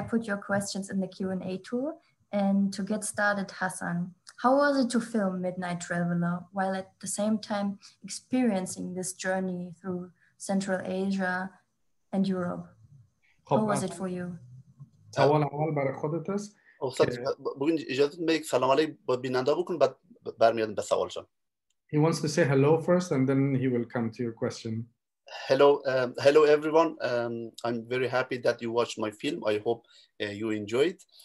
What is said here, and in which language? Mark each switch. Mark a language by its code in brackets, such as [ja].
[en] Put your questions in the Q&A tool. And to get started, Hassan, how was it to film Midnight Traveler while at the same time experiencing this journey through Central Asia and Europe? خب how was it for you? [fa] سوال اول برای خودت است. استاد بگین اجازه بدید یک سلام علیک با بیننده بکن بعد برمیادم به سوالشان. [en] He wants to say hello first and then he will come to your question. Hello hello everyone. I'm very happy that you watched my film. I hope you enjoyed.